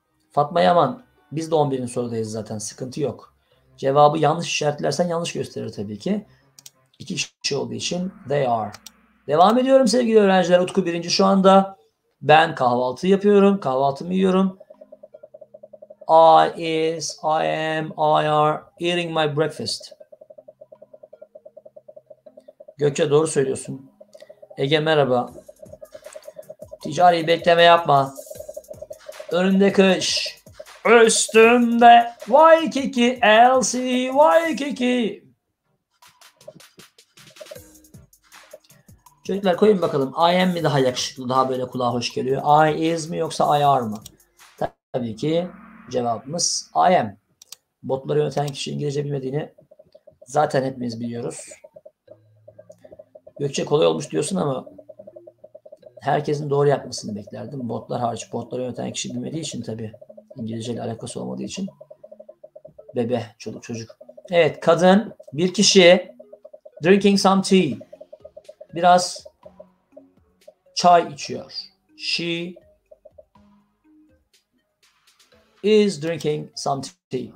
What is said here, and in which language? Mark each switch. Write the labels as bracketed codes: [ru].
[tr] Fatma Yaman, biz de 11. sorudayız zaten. Sıkıntı yok. Cevabı yanlış işaretlersen yanlış gösterir tabii ki. İki kişi olduğu için [en] they are. [tr] Devam ediyorum sevgili öğrenciler. Utku birinci şu anda. Ben kahvaltı yapıyorum. Kahvaltımı yiyorum. [en] I am, I are eating my breakfast. [tr] Gökçe doğru söylüyorsun. Ege merhaba. Ticari bekleme yapma. Önünde kış. Üstümde. Vay kiki. Elsi. Vay kiki. Çocuklar koyun bakalım. [en] I am [tr] mi daha yakışıklı? Daha böyle kulağa hoş geliyor. [en] I is [tr] mi yoksa [en] I are [tr] mı? Tabii ki cevabımız [en] I am. [tr] Botları yöneten kişi İngilizce bilmediğini zaten hepimiz biliyoruz. Gökçe kolay olmuş diyorsun ama herkesin doğru yapmasını beklerdim. Botlar hariç. Botları yöneten kişi bilmediği için tabii. İngilizce ile alakası olmadığı için. Bebe, çoluk çocuk. Evet, kadın bir kişi [en] drinking some tea. [tr] Biraz çay içiyor. [en] She is drinking some tea.